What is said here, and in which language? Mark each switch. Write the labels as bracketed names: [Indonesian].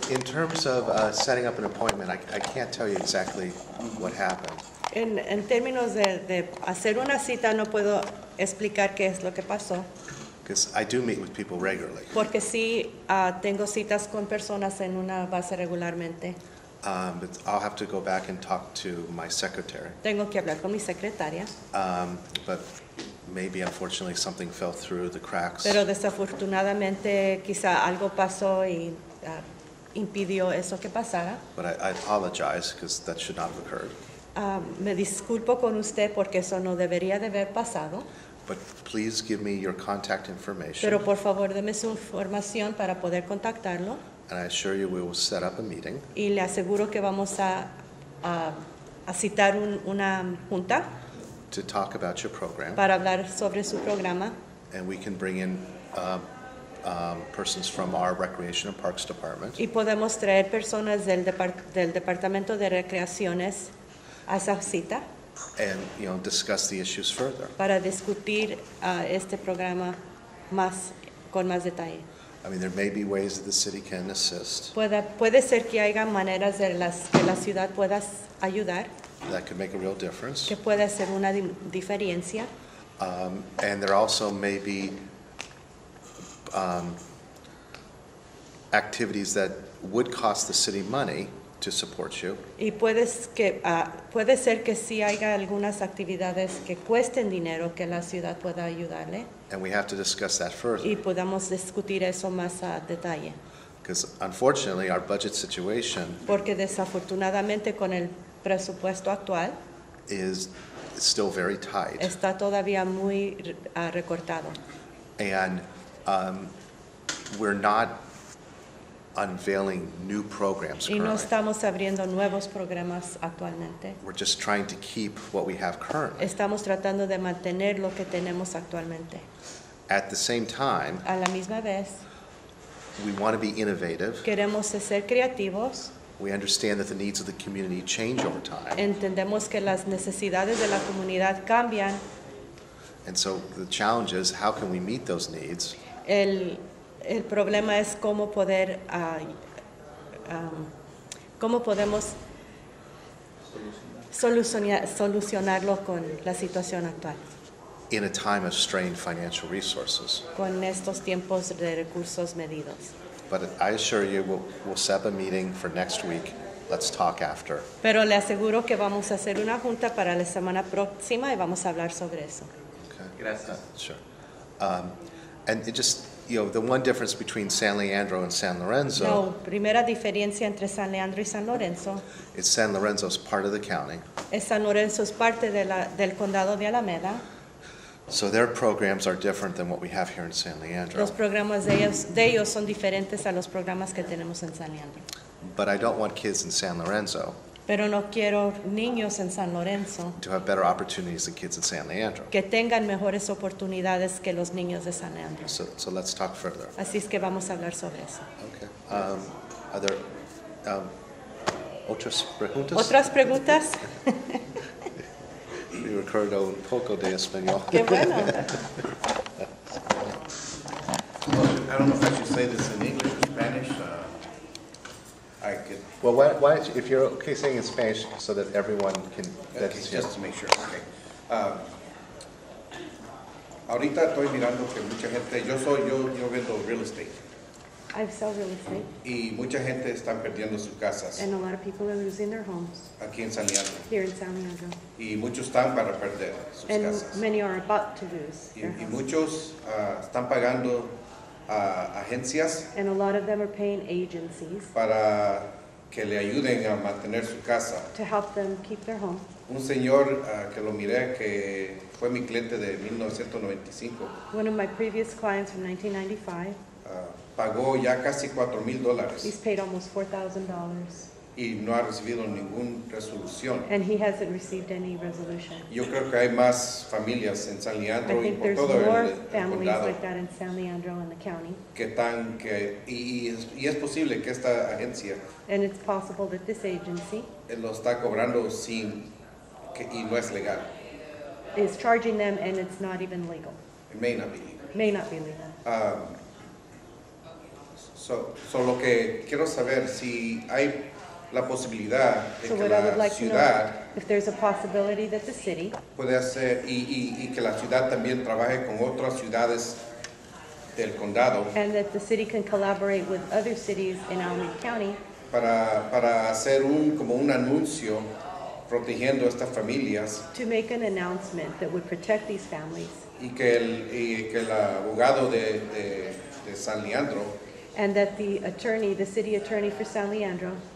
[English] In terms of setting up an appointment, I can't tell you exactly what happened. [Spanish] En términos de hacer una cita, no puedo explicar qué es lo que pasó. [English] Because I do meet with people regularly. [Spanish] Porque sí, tengo citas con personas en una base regularmente. [English] But I'll have to go back and talk to my secretary. [Spanish] Tengo que hablar con mi secretaria. [English] But maybe, unfortunately, something fell through the cracks. [Spanish] Pero desafortunadamente, quizá algo pasó y impidió eso que pasara. [English] But I apologize because that should not have occurred. [Spanish] Me disculpo con usted porque eso no debería de haber pasado. [English] But please give me your contact information. [Spanish] Pero por favor, deme su información para poder contactarlo. [English] And I assure you we will set up a meeting. [Spanish] Y le aseguro que vamos a citar una junta. [English] To talk about your program. [Spanish] Para hablar sobre su programa. [English] And we can bring in persons from our Recreation and Parks Department. [Spanish] Y podemos traer personas del Departamento de Recreaciones a esa cita. [English] And discuss the issues further. [Spanish] Para discutir este programa más con más detalle. [English] I mean, there may be ways that the city can assist. [Spanish] Puede ser que haya maneras de las que la ciudad pueda ayudar. [English] That could make a real difference. [Spanish] Que puede hacer una diferencia. [English] And there also may be activities that would cost the city money to support you. [Spanish] Y puede ser que sí haya algunas actividades que cuesten dinero que la ciudad pueda ayudarle. [English] And we have to discuss that further. [Spanish] Y podamos discutir eso más a detalle. [English] Because unfortunately, our budget situation. [Spanish] Porque desafortunadamente con el presupuesto actual. [English] Is still very tight. [Spanish] Está todavía muy recortado. [English] And we're not unveiling new programs currently. [Spanish] Y no estamos abriendo nuevos programas actualmente. [English] We're just trying to keep what we have currently. [Spanish] Estamos tratando de mantener lo que tenemos actualmente. [English] At the same time, [Spanish] a la misma vez, [English] we want to be innovative. [Spanish] Queremos ser creativos. [English] We understand that the needs of the community change over time. [Spanish] Entendemos que las necesidades de la comunidad cambian. [English] And so the challenge is, how can we meet those needs? [Spanish] El problema es cómo poder cómo podemos solucionarlo con la situación actual. [English] In a time of strained financial resources. [Spanish] Con estos tiempos de recursos medidos. [English] But I assure you we'll set up a meeting for next week. Let's talk after. [Spanish] Pero le aseguro que vamos a hacer una junta para la semana próxima y vamos a hablar sobre eso. [English] Okay. Gracias. Sure. The one difference between San Leandro and San Lorenzo. [Spanish] No, primera diferencia entre San Leandro y San Lorenzo. [English] Is San Lorenzo's part of the county. [Spanish] Es San Lorenzo's parte del condado de Alameda. [English] So their programs are different than what we have here in San Leandro. [Spanish] Los programas de ellos son diferentes a los programas que tenemos en San Leandro. [English] But I don't want kids in San Lorenzo. [Spanish] Pero no quiero niños en San Lorenzo. [English] To have better opportunities than kids in San Leandro. [Spanish] Que tengan mejores oportunidades que los niños de San Leandro. [English] So let's talk further. [Spanish] Así es que vamos a hablar sobre eso. [English] Okay. Are there [Spanish] otras preguntas? ¿Otras preguntas? Me recuerdo un poco de español. Qué bueno. [English] I don't know if I should say this in English or Spanish. I could. Well, why don't you, if you're okay saying in Spanish so that everyone can. Okay, just to make sure. Okay. [Spanish] Ahorita estoy mirando que mucha gente. Yo vendo [English] real estate. I sell real estate. [Spanish] Y mucha gente están perdiendo sus casas. [English] And a lot of people are losing their homes. [Spanish] Aquí en San Leandro. [English] Here in San Leandro. [Spanish] Y muchos están para perder sus casas. [English] And many are about to lose. [Spanish] Y muchos están pagando agencias. [English] And a lot of them are paying agencies. [Spanish] Para que le ayuden a mantener su casa. [English] To help them keep their home. [Spanish] Un señor que lo miré que fue mi cliente de 1995. [English] One of my previous clients from 1995. [Spanish] Pagó ya casi $4,000. [English] He's paid almost $4,000. [Spanish] Y no ha recibido ninguna resolución. [English] And he hasn't received any resolution. [Spanish] Yo creo que hay más familias en San Leandro y por todo el [English] condado. I think there's more families like that in San Leandro and the county. [Spanish] Y es posible que esta agencia. [English] And it's possible that this agency. [Spanish] Lo está cobrando sin que y no es legal. [English] Is charging them and it's not even legal. It may not be legal. May not be legal. [Spanish] So lo que quiero saber si hay la posibilidad de [English] so [Spanish] que la [English] like [Spanish] ciudad [English] if there's a possibility that the city [Spanish] puede hacer y que la ciudad también trabaje con otras ciudades del condado [English] and that the city can collaborate with other cities in Alameda County [Spanish] para hacer un como un anuncio protegiendo estas familias [English] to make an announcement that would protect these families [Spanish] y que el abogado de San Leandro [English] and that the attorney, the city attorney for San Leandro,